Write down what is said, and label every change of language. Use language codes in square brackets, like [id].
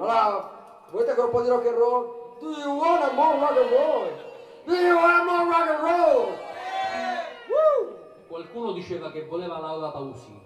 [it] Allora, volete ancora un po' di rock and roll? [en] Do you want more rock and roll? Do you want more rock and roll? Yeah. Woo. [it] Qualcuno diceva che voleva Laura Pausini.